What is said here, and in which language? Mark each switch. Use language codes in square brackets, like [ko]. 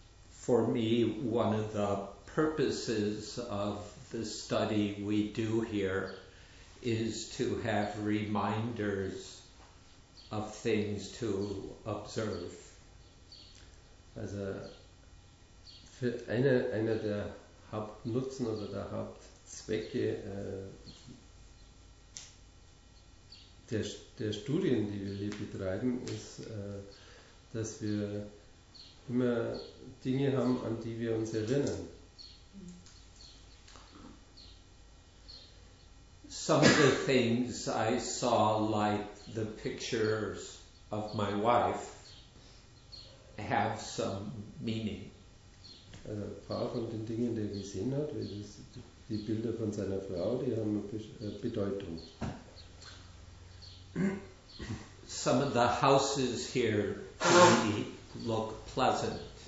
[en] for me, one of the purposes of the study we do here is to have reminders of things to observe. [de] Also, für einer der Hauptnutzen oder der Hauptzwecke der Studien, die wir hier betreiben, ist, dass wir immer Dinge haben, an die wir uns erinnern. [en] Some of the things I saw, like the pictures of my wife, have some meaning. [de] Also ein paar von den Dingen, die er gesehen hat, die Bilder von seiner Frau, die haben eine Bedeutung. [en] Some of the houses here really look pleasant.